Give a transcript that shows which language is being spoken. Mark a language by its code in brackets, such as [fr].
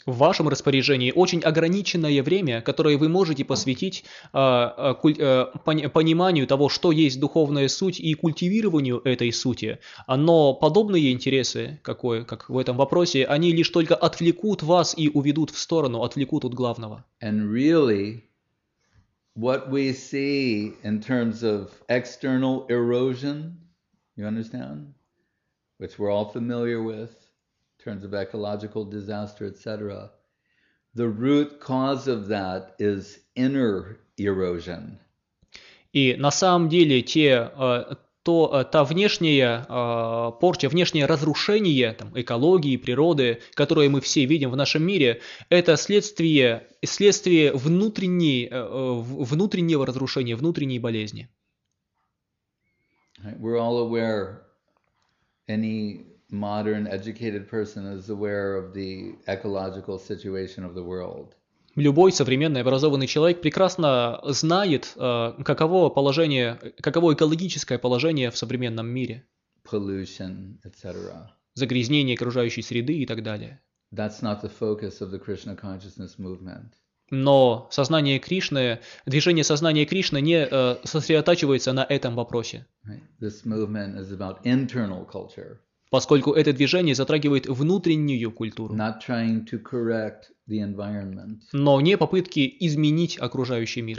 [ru] В вашем распоряжении очень ограниченное время, которое вы можете посвятить пониманию того, что есть духовная суть и культивированию этой сути. Но подобные интересы, как в этом вопросе, они лишь только отвлекут вас и уведут в сторону, отвлекут от главного. [en] And really, what we see in terms of external erosion, you understand? Which we're all familiar with, terms of ecological disaster, etc., the root cause of that is inner erosion. [ru] И на самом деле те, то, та внешняя порча, внешнее разрушение там, экологии, природы, которое мы все видим в нашем мире, это следствие внутреннего разрушения, внутренней болезни. [en] We're all aware, any modern educated person is aware of the ecological situation of the world. [ru] Любой современный образованный человек прекрасно знает, каково положение, каково экологическое положение в современном мире. [en] Pollution, etc. [ru] Загрязнение окружающей среды и так далее. [en] That's not the focus of the Krishna consciousness movement. [ru] Но сознание Кришны, движение сознания Кришны не сосредотачивается на этом вопросе. [en] This movement is about internal culture. [ru] Поскольку это движение затрагивает внутреннюю культуру, [en] not trying to correct the environment, [ru] но не попытки изменить окружающий мир.